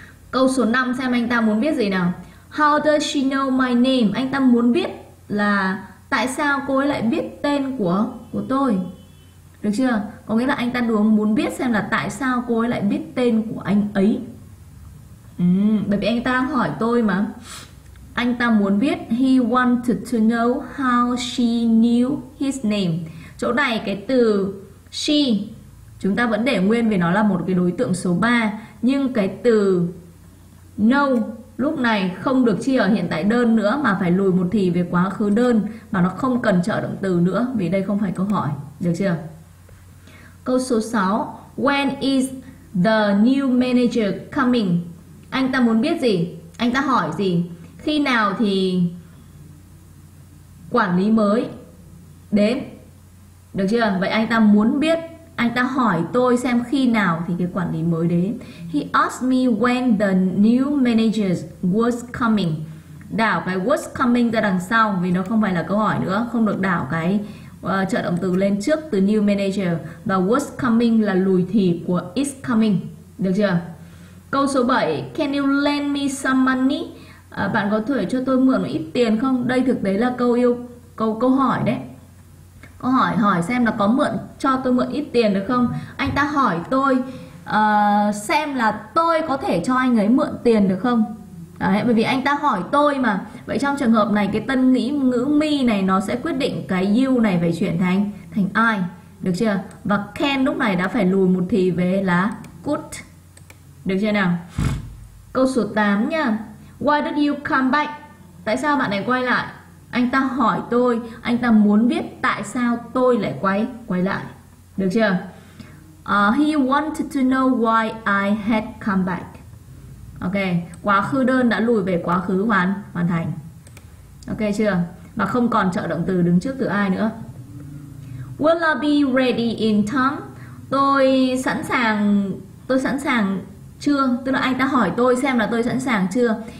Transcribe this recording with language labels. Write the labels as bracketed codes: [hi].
[vi] Câu số 5 xem anh ta muốn biết gì nào. [en] How does she know my name? [vi] Anh ta muốn biết là tại sao cô ấy lại biết tên của tôi. Được chưa? Có nghĩa là anh ta đúng muốn biết xem là tại sao cô ấy lại biết tên của anh ấy. Bởi vì anh ta đang hỏi tôi mà. Anh ta muốn biết. [en] He wanted to know how she knew his name. [vi] Chỗ này cái từ she chúng ta vẫn để nguyên vì nó là một cái đối tượng số 3. Nhưng cái từ know lúc này không được chia ở hiện tại đơn nữa mà phải lùi một thì về quá khứ đơn. Mà nó không cần trợ động từ nữa vì đây không phải câu hỏi. Được chưa? Câu số 6. [en] When is the new manager coming? [vi] Anh ta muốn biết gì? Anh ta hỏi gì? Khi nào thì quản lý mới đến? Được chưa? Vậy anh ta muốn biết, anh ta hỏi tôi xem khi nào thì cái quản lý mới đến. [en] He asked me when the new manager was coming. [vi] Đảo cái was coming ra đằng sau vì nó không phải là câu hỏi nữa. Không được đảo cái trợ động từ lên trước từ new manager. Và was coming là lùi thì của is coming. Được chưa? Câu số 7. [en] Can you lend me some money? [vi] Bạn có thể cho tôi mượn một ít tiền không? Đây thực tế là câu hỏi đấy. Câu hỏi hỏi xem là có mượn cho tôi mượn ít tiền được không? Anh ta hỏi tôi xem là tôi có thể cho anh ấy mượn tiền được không? Đấy, bởi vì anh ta hỏi tôi mà. Vậy trong trường hợp này cái tân nghĩ ngữ me này nó sẽ quyết định cái you này phải chuyển thành I. Được chưa? Và can lúc này đã phải lùi một thì về là could. Được chưa nào? Câu số 8 nha. [en] Why did you come back? [vi] Tại sao bạn lại quay lại? Anh ta hỏi tôi, anh ta muốn biết tại sao tôi lại quay lại. Được chưa? [en] He wanted to know why I had come back. [vi] Ok, quá khứ đơn đã lùi về quá khứ hoàn thành. Ok chưa? Và không còn trợ động từ đứng trước từ ai nữa. [en] Will I be ready in time? [vi] Tôi sẵn sàng chưa? Tức là anh ta hỏi tôi xem là tôi sẵn sàng chưa?